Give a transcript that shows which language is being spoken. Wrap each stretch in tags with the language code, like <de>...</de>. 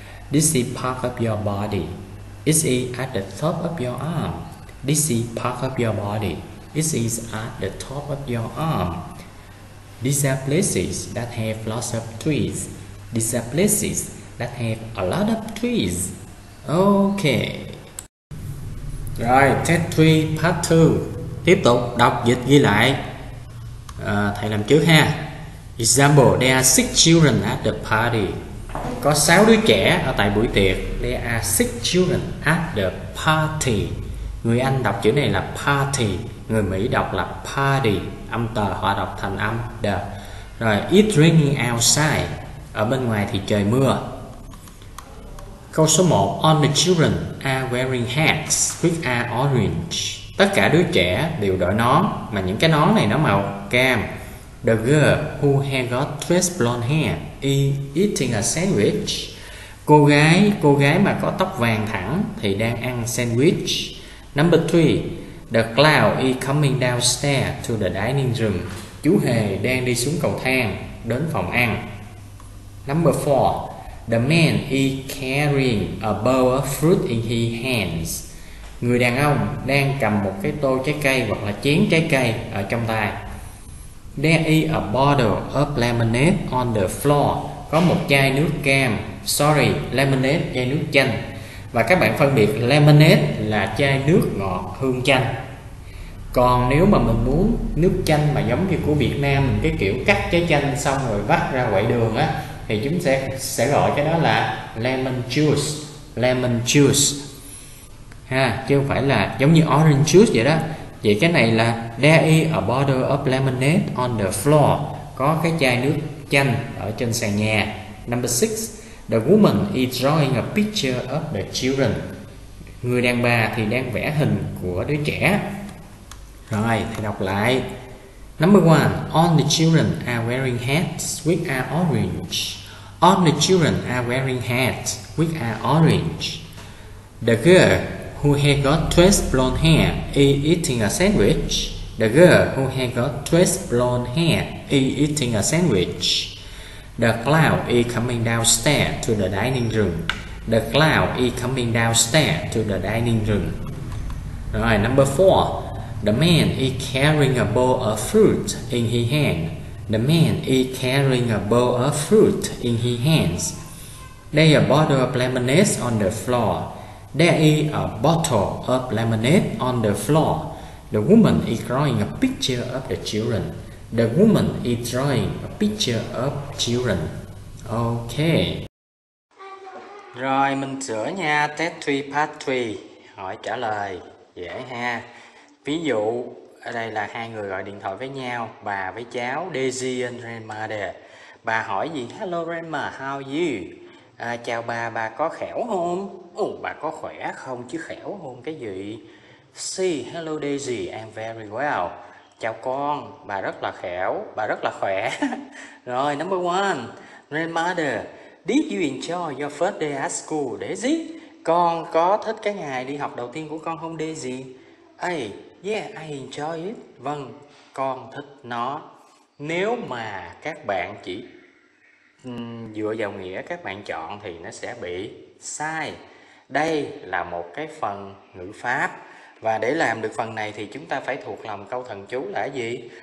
<en>This is part of your body. It is at the top of your arm. This is part of your body. It is at the top of your arm. These are places that have lots of trees. These are places that have a lot of trees.</en> <vi>Ok. Rồi, test 3, part 2. Tiếp tục đọc dịch ghi lại. À, thầy làm trước ha.</vi> <en>Example, there are six children at the party.</en> <vi>Có 6 đứa trẻ ở tại buổi tiệc.</vi> <en>There are six children at the party.</en> <vi>Người Anh đọc chữ này là party, người Mỹ đọc là party. Âm tờ họ đọc thành âm the. Rồi,</vi> <en>it's raining outside.</en> <vi>Ở bên ngoài thì trời mưa.</vi> <en>Câu số 1, all the children are wearing hats which are orange.</en> <vi>Tất cả đứa trẻ đều đội nón, mà những cái nón này nó màu cam.</vi> <en>The girl who has got dress blonde hair is eating a sandwich.</en> <vi>Cô gái mà có tóc vàng thẳng thì đang ăn sandwich.</vi> <en>Number 3, the cloud is coming downstairs to the dining room.</en> <vi>Chú hề đang đi xuống cầu thang đến phòng ăn.</vi> <en>Number 4, the man is carrying a bowl of fruit in his hands.</en> <vi>Người đàn ông đang cầm một cái tô trái cây hoặc là chén trái cây ở trong tay.</vi> <en>There is a bottle of lemonade on the floor.</en> <vi>Có một chai nước cam. Sorry, lemonade, chai nước chanh. Và các bạn phân biệt lemonade là chai nước ngọt hương chanh. Còn nếu mà mình muốn nước chanh mà giống như của Việt Nam, cái kiểu cắt trái chanh xong rồi vắt ra quậy đường á, thì chúng sẽ gọi cái đó là lemon juice, lemon juice. Ha, chứ không phải là giống như orange juice vậy đó. Vậy cái này là</vi> <en>there is a bottle of lemonade on the floor.</en> <vi>Có cái chai nước chanh ở trên sàn nhà.</vi> <en>Number 6, the woman is drawing a picture of the children.</en> <vi>Người đàn bà thì đang vẽ hình của đứa trẻ. Rồi, thầy đọc lại.</vi> <en>Number 1, all the children are wearing hats which are orange. All the children are wearing hats which are orange. The girl who has got dress blonde hair is eating a sandwich. The girl who has got dress blonde hair is eating a sandwich. The cloud is coming downstairs to the dining room. The cloud is coming downstairs to the dining room. Rồi, number 4. The man is carrying a bowl of fruit in his hand. The man is carrying a bowl of fruit in his hands. There is a bottle of lemonade on the floor. There is a bottle of lemonade on the floor. The woman is drawing a picture of the children. The woman is drawing a picture of children. Ok.</en> <vi>Rồi mình sửa nha, test 3 part 3. Hỏi trả lời dễ ha. Ví dụ ở đây là hai người gọi điện thoại với nhau, bà với cháu Daisy and Grandmother. Bà hỏi gì?</vi> <en>Hello Grandma, how are you?</en> <vi>À, chào bà có khẻo không? Ồ, bà có khỏe không chứ khẻo không cái gì?</vi> <en>See, hello Daisy, I'm very well.</en> <vi>Chào con, bà rất là khẻo, bà rất là khỏe.</vi> <en>Rồi, number one, grandmother, did you enjoy your first day at school, Daisy?</en> <vi>Con có thích cái ngày đi học đầu tiên của con không, Daisy?</vi> <en>Hey, yeah, I enjoy it.</en> <vi>Vâng, con thích nó. Nếu mà các bạn chỉ dựa vào nghĩa các bạn chọn thì nó sẽ bị sai. Đây là một cái phần ngữ pháp. Và để làm được phần này thì chúng ta phải thuộc lòng câu thần chú là gì?</vi>